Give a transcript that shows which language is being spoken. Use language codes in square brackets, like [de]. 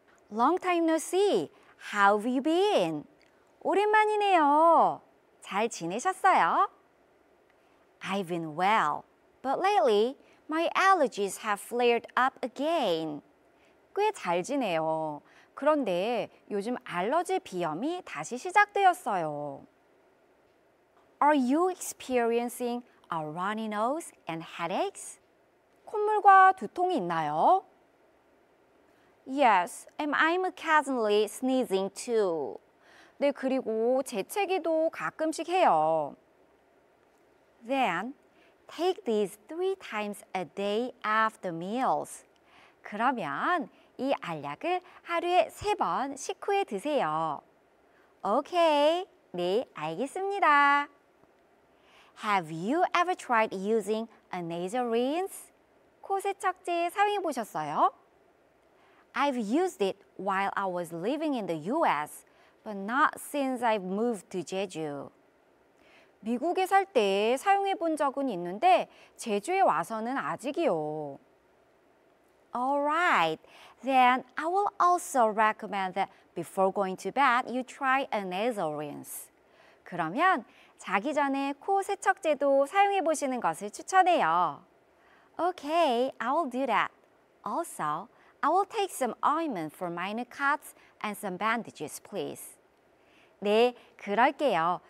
[en] Long time no see. How have you been? [ko] 오랜만이네요. 잘 지내셨어요? [en] I've been well, but lately my allergies have flared up again. [ko] 꽤 잘 지내요. 그런데 요즘 알러지 비염이 다시 시작되었어요. [en] Are you experiencing a runny nose and headaches? [ko] 콧물과 두통이 있나요? [en] Yes, and I'm occasionally sneezing too. [ko] 네, 그리고 재채기도 가끔씩 해요. [en] Then, take these 3 times a day after meals. [ko] 그러면 이 알약을 하루에 3번 식후에 드세요. Okay, 네, 알겠습니다. [en] Have you ever tried using a nasal rinse? [ko] 코 세척제 사용해 보셨어요? [en] I've used it while I was living in the US, but not since I've moved to Jeju. [ko] 미국에 살 때 사용해 본 적은 있는데 제주에 와서는 아직이요. [en] All right. Then I will also recommend that before going to bed, you try a nasal rinse. [ko] 그러면 자기 전에 코 세척제도 사용해 보시는 것을 추천해요. [en] Okay, I will do that. Also, I will take some ointment for minor cuts and some bandages, please. [ko] 네, 그럴게요.